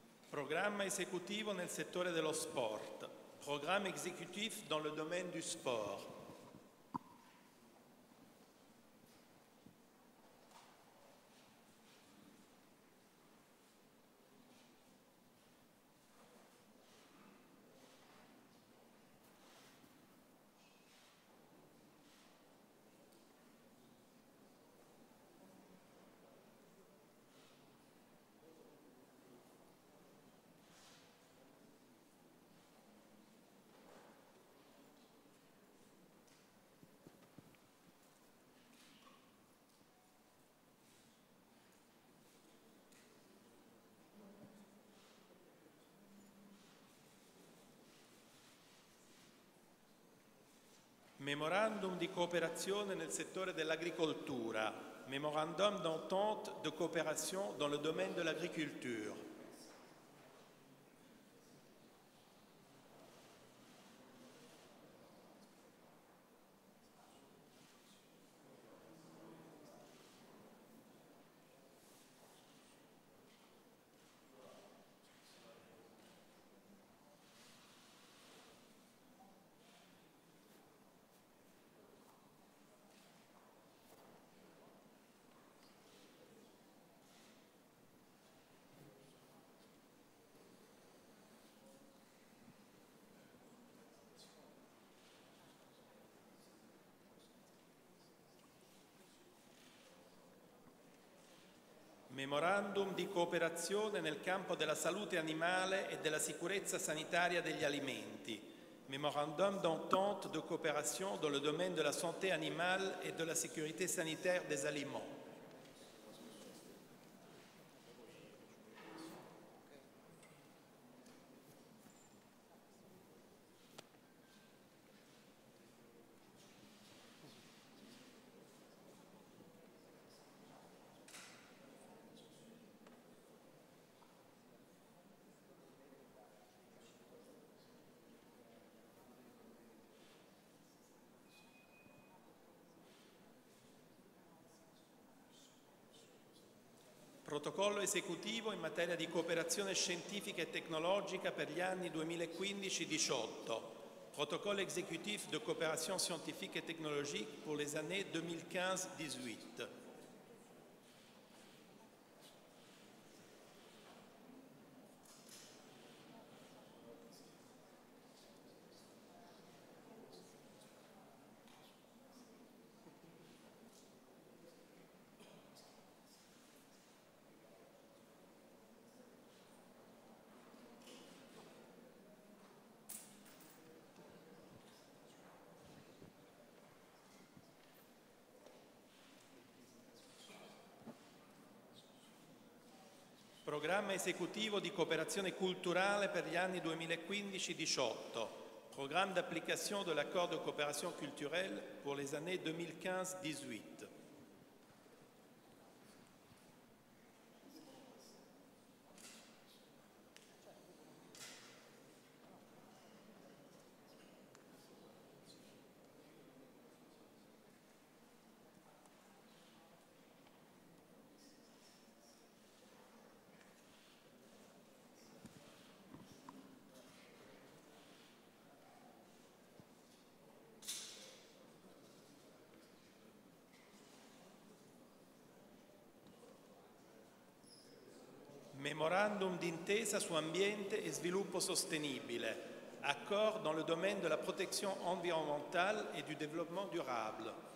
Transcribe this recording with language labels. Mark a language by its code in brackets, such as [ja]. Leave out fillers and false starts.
[it] Programma esecutivo nel settore dello sport. [fr] Programma esecutif dans le domaine du sport. [it] Memorandum di cooperazione nel settore dell'agricoltura. [fr] Memorandum d'entente de coopération dans le domaine de l'agriculture. [it] Memorandum di cooperazione nel campo della salute animale e della sicurezza sanitaria degli alimenti. [fr] Memorandum d'entente de coopération dans le domaine de la santé animale et de la sécurité sanitaire des aliments. [it] Protocollo esecutivo in materia di cooperazione scientifica e tecnologica per gli anni 2015-18. [fr] Protocollo exécutif de coopération scientifique et technologique pour les années 2015-18. [it] Programma esecutivo di cooperazione culturale per gli anni 2015-18. [fr] Programma d'application de l'accord de coopération culturelle pour les années 2015-18. [it] Memorandum d'intesa su ambiente e sviluppo sostenibile. [fr] Accord dans le domaine de la protection environnementale et du développement durable.